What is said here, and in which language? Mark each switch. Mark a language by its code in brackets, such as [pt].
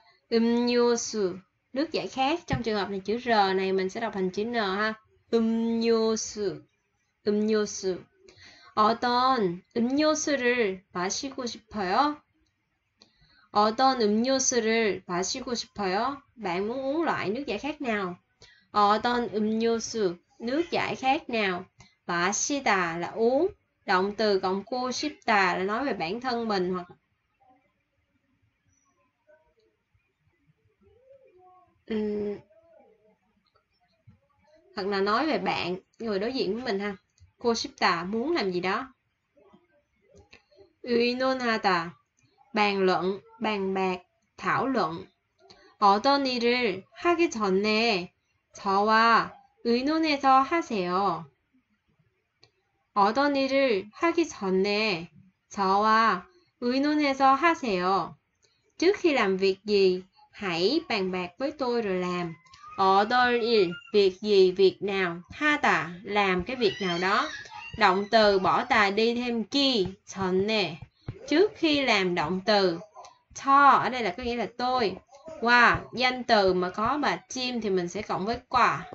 [vi] 음료수, nước giải khát. Trong trường hợp này, chữ R này mình sẽ đọc thành chữ N ha. 음료수. [ko] 어떤 음료수를 마시고 싶어요? 어떤 음료수를 마시고 싶어요? [vi] Bạn muốn uống loại nước giải khát nào? 어떤 음료수, nước giải khát nào? 마시다 là uống. Động từ cộng 고싶다 là nói về bản thân mình hoặc hoặc là nói về bạn, người đối diện với mình ha. 고싶다 muốn làm gì đó. 의논하다 bàn luận, bàn bạc, thảo luận. [ko] 어떤 일을 하기 전에 저와 의논해서 하세요. 어떤 일을 하기 전에 저와 의논해서 하세요. [vi] Trước khi làm việc gì, hãy bàn bạc với tôi rồi làm. 어떤 일, việc gì, việc nào. 하다, làm cái việc nào đó. Động từ bỏ tà đi thêm gì, 전에. Trước khi làm động từ. 저, ở đây là có nghĩa là tôi. Qua, danh từ mà có bà chim thì mình sẽ cộng với qua.